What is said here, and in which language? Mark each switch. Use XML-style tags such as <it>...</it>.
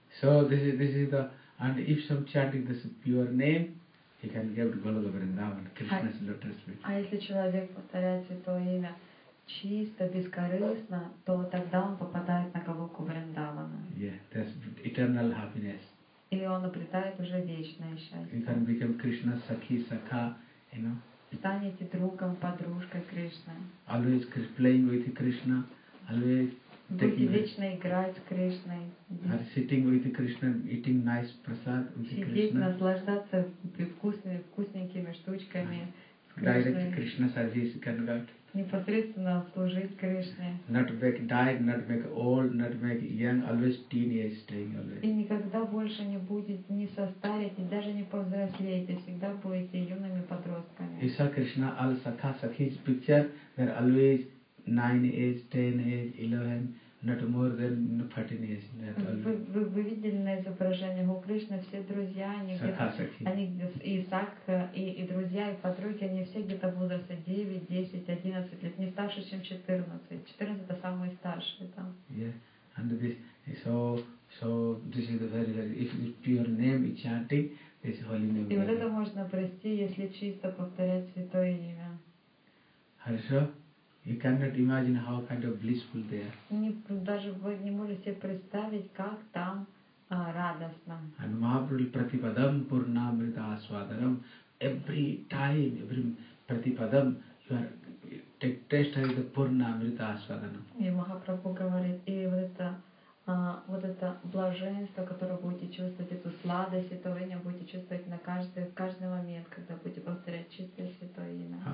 <en>So this is the, and if some chanting this pure name, he can give to Golok Vrindavan, Krishna's lotus feet.</en> <ru>А если человек повторяет святое имя чисто, бескорыстно, то тогда он попадает на Голок Вриндавана.</ru> <en>Yeah, that's eternal happiness.</en> <ru>И он обретает уже вечное счастье.</ru> <en>He can become Krishna's Sakhi, Sakha, you know.</en> <ru>станете другом, подружкой Кришны.</ru> <en>Always playing with Krishna. Always.</en> <ru>Будете вечно играть с Кришной.</ru> <en>Are sitting with Krishna, eating nice prasad with Krishna.</en> <ru>Сидеть, наслаждаться вкусненькими штучками.</ru> <en>Direct Krishna service can get.</en> <ru>Непосредственно служить Кришне.</ru> <en>Not make die, not make old, not make young, always teenage staying always.</en> <ru>И никогда больше не будет ни состареть, ни даже не повзрослеть, всегда будете юными подростками. И са</ru> <en>Кришна, ал сакха сакхи's picture, they're always 9 years, 10 years, 11, not more than 14 years.</en> <ru>Вы видели на изображении у Кришны все друзья, они Исаак и друзья, и подруги, они все где-то в возрасте 9, 10, 11 лет, не старше, чем 14. 14 это самый старший там. Yeah.</ru> <en>And this so this is the very if pure name is chanting, this holy name.</en> <ru>И вот это можно прости, если чисто повторять святое имя. Хорошо?</ru> <en>You cannot imagine how kind of blissful they are.</en> <ru>Даже вы не можете себе представить, как там радостно.</ru> <en>And Mahaprabhu Pratipadam Purnamrita Aswadaram. Every time, every Pratipadam, you are tasting the Purnamrita Aswadaram.</en> <ru>И Махапрабху говорит, и вот это блаженство, которое будете чувствовать, эту сладость, это вы будете чувствовать на каждый момент, когда будете повторять чистое святое имя.</ru>